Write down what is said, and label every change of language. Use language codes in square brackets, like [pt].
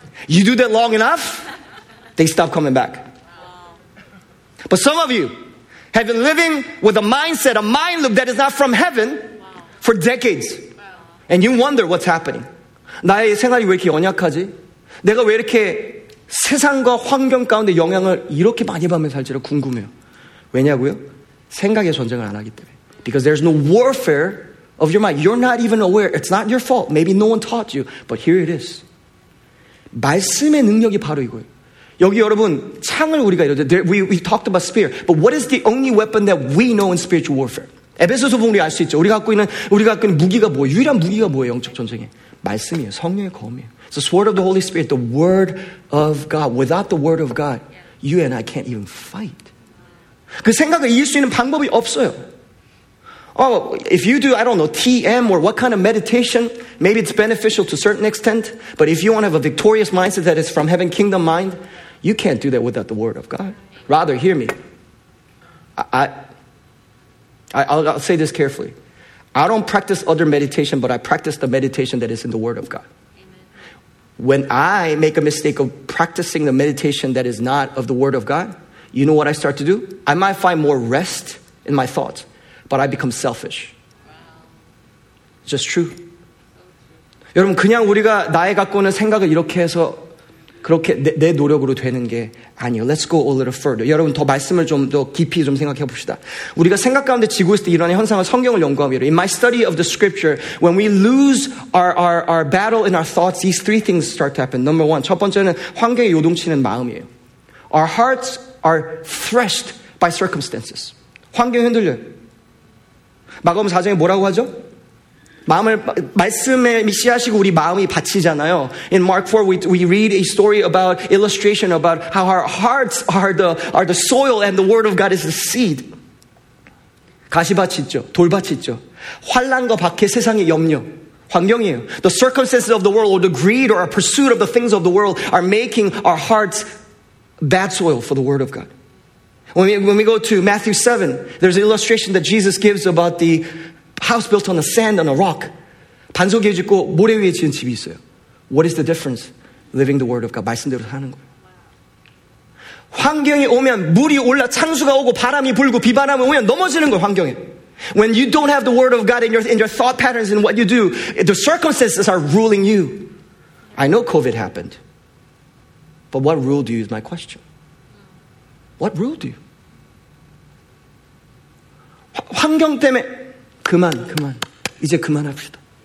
[en] You do that long enough, they stop coming back. But some of you have been living with a mindset, a mind loop that is not from heaven for decades. And you wonder what's happening. [ko] 나의 생활이 왜 이렇게 연약하지? 내가 왜 이렇게 세상과 환경 가운데 영향을 이렇게 많이 받으면 살지를 궁금해요. 왜냐고요? 생각의 전쟁을 안 하기 때문에. [en] Because there's no warfare of your mind. You're not even aware. It's not your fault. Maybe no one taught you. But here it is. [ko] 말씀의 능력이 바로 이거예요. 여기 여러분 창을 우리가 [en] we talked about spear. But what is the only weapon that we know in spiritual warfare? [ko] 에베소서 보면 우리 알 수 있죠. 우리가 갖고 있는 무기가 뭐예요? 유일한 무기가 뭐예요? 영적 전쟁에. 말씀이에요. 성령의 검이에요. [en] It's the sword of the Holy Spirit, the word of God. Without the word of God, you and I can't even fight. [ko] 그 생각을 이길 수 있는 방법이 없어요. [en] Oh, if you do, I don't know, TM or what kind of meditation, maybe it's beneficial to a certain extent, but if you want to have a victorious mindset that is from heaven, kingdom mind, you can't do that without the word of God. Rather, hear me. I'll say this carefully. I don't practice other meditation, but I practice the meditation that is in the Word of God. Amen. When I make a mistake of practicing the meditation that is not of the Word of God, you know what I start to do? I might find more rest in my thoughts, but I become selfish. Wow. It's just true. So true. [ko] 여러분, 그냥 우리가 나의 갖고 있는 생각을 이렇게 해서 그렇게 내 노력으로 되는 게 아니에요. [en] Let's go a little further. [ko] 여러분 더 말씀을 좀 더 깊이 좀 생각해 봅시다. 우리가 생각 가운데 지고 있을 때 일어나는 현상을 성경을 연구하기로. [en] In my study of the scripture, when we lose our battle in our thoughts, these three things start to happen. Number one, [ko] 첫 번째는 환경에 요동치는 마음이에요. [en] Our hearts are threshed by circumstances. [ko] 환경이 흔들려요. 마가복음 4장에 뭐라고 하죠? 마음을 말씀에 미시하시고 우리 마음이 바치잖아요. [en] In Mark 4, we read a story about illustration about how our hearts are the soil and the word of God is the seed. [ko] 가시밭이 있죠. 돌밭이 있죠. 환란과 박해 세상의 염려. 환경이에요. [en] The circumstances of the world or the greed or our pursuit of the things of the world are making our hearts bad soil for the word of God. When we go to Matthew 7, there's an illustration that Jesus gives about the house built on the sand, on a rock. [ko] 반석에 짓고 모래 위에 지은 집이 있어요. [en] What is the difference? Living the word of God. [ko] 말씀대로 사는 거예요. 환경이 오면 물이 올라 창수가 오고 바람이 불고 비바람이 오면 넘어지는 거예요, 환경에. [en] When you don't have the word of God in your thought patterns and what you do, the circumstances are ruling you. I know COVID happened. But what rule do you use, my question? What rule do you? [ko] 환경 때문에 그만. 이제 그만합시다.